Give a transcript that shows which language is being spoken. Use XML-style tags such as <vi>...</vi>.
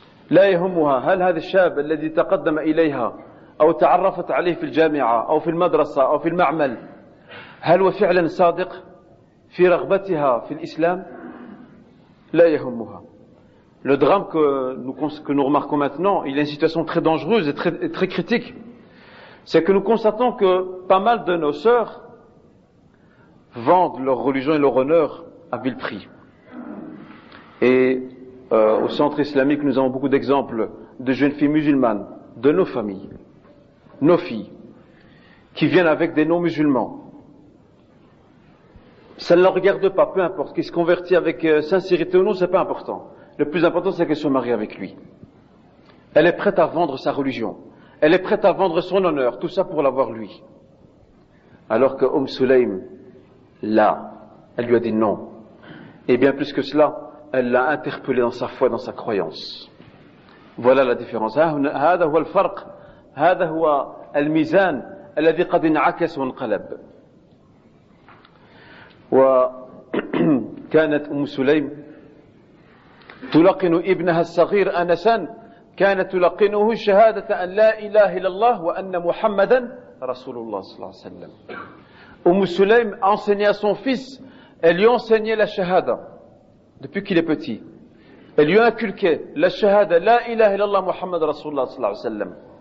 <ar>لا يهمها هل هذا الشاب الذي تقدم إليها أو تعرفت عليه في الجامعة أو في المدرسة أو في المعمل هل هو فعلا صادق في رغبتها في الإسلام؟ لا يهمها.</ar> <fr>Le drame que nous remarquons maintenant, il est une situation très dangereuse et très critique. C'est que nous constatons que pas mal de nos sœurs vendent leur religion et leur honneur à vil prix. Et au centre islamique, nous avons beaucoup d'exemples de jeunes filles musulmanes, de nos familles, nos filles, qui viennent avec des non-musulmans. Ça ne leur regarde pas, peu importe, qu'ils se convertissent avec sincérité ou non, ce n'est pas important. Le plus important, c'est qu'elle se marie avec lui. Elle est prête à vendre sa religion. Elle est prête à vendre son honneur. Tout ça pour l'avoir lui. Alors que Oum Sulaym, là, elle lui a dit non. Et bien plus que cela, elle l'a interpellé dans sa foi, dans sa croyance. Voilà la différence.</fr> <ar>هذا هو الفرق. هذا هو الميزان الذي قد انعكس وانقلب. وكانت أم سليم تلقن ابنها الصغير أنسا كانت تلقنه شهادة أن لا إله إلا الله وأن محمدا رسول الله صلى الله عليه وسلم.</ar> <fr>أم سليم enseigné à son fils, elle lui enseignait la shahada depuis qu'il est petit. Elle lui inculquait la shahada</fr> <ar>لا إله إلا الله محمد رسول الله صلى الله عليه وسلم.</ar>